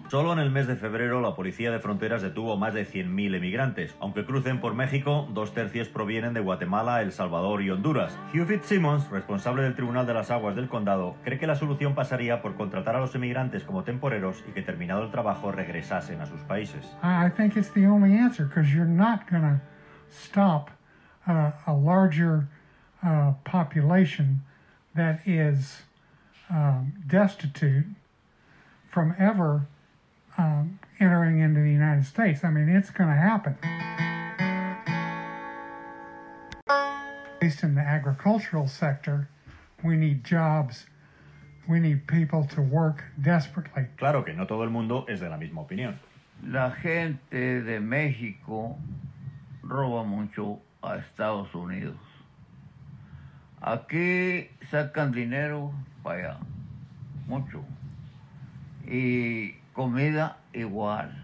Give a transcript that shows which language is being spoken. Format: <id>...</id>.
<es>Solo en el mes de febrero, la Policía de Fronteras detuvo más de 100.000 emigrantes. Aunque crucen por México, dos tercios provienen de Guatemala, El Salvador y Honduras. Hugh Fitzsimmons, responsable del Tribunal de las Aguas del Condado, cree que la solución pasaría por contratar a los emigrantes como temporeros y que, terminado el trabajo, regresasen a sus países.</es> <en>I think it's the only answer, because you're not going to stop a larger population that is destitute from ever entering into the United States. I mean, it's going to happen. At least in the agricultural sector, we need jobs. We need people to work desperately.</en> <es>Claro que no todo el mundo es de la misma opinión. La gente de México roba mucho a Estados Unidos. Aquí sacan dinero para allá. Mucho. Y comida igual.</es>